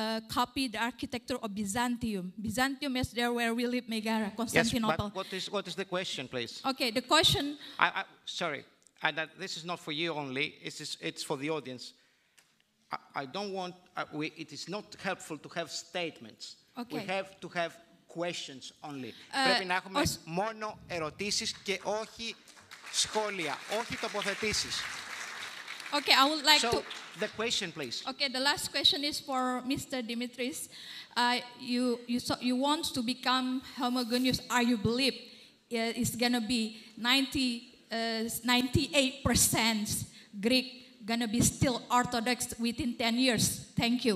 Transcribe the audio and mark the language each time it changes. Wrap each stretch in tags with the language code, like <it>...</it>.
<en>Copy the architecture of Byzantium. Byzantium is there where we live, Megara, Constantinople. Yes, but what is the question, please? Okay, the question. Sorry, this is not for you only. It's for the audience. It is not helpful to have statements. Okay. We have to have questions only.</en> <el>Πρέπει να έχουμε μόνο ερωτήσεις και όχι σχόλια, όχι τοποθετήσεις.</el> <en>Okay, I would like so, to. The question, please. Okay, the last question is for Mr. Dimitris. You want to become homogeneous? Are you believe it's gonna be 98% Greek gonna be still Orthodox within 10 years? Thank you.</en>